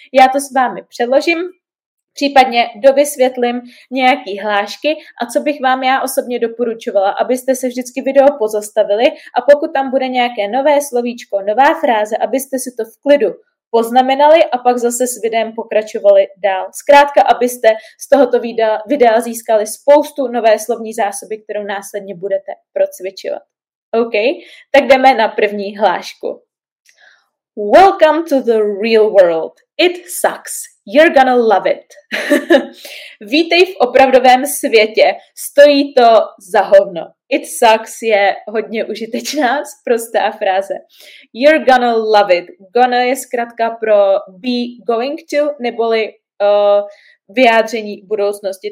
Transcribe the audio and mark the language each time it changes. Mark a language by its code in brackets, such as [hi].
[cs] Já to s vámi přeložím. Případně dovysvětlím nějaký hlášky a co bych vám já osobně doporučovala, abyste se vždycky video pozastavili a pokud tam bude nějaké nové slovíčko, nová fráze, abyste si to v klidu poznamenali a pak zase s videem pokračovali dál. Zkrátka, abyste z tohoto videa získali spoustu nové slovní zásoby, kterou následně budete procvičovat. OK, tak jdeme na první hlášku. [en] Welcome to the real world. It sucks. You're gonna love it. [cs] Vítej v opravdovém světě. Stojí to za hovno. [en] It sucks [cs] je hodně užitečná, sprostá fráze. [en] You're gonna love it. [cs] Gonna je zkrátka pro be going to, neboli vyjádření budoucnosti.